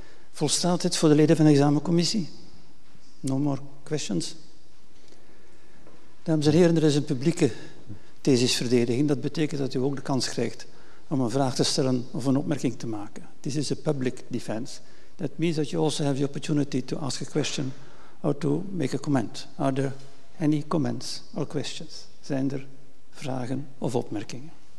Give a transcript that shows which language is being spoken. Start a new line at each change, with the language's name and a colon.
Dutch: Volstaat dit voor de leden van de examencommissie? No more questions? Dames en heren, er is een publieke thesisverdediging. Dat betekent dat u ook de kans krijgt om een vraag te stellen of een opmerking te maken.
English: This is a public defense. That means that you also have the opportunity to ask a question or to make a comment. Are there any comments or questions?
Dutch: Zijn er vragen of opmerkingen?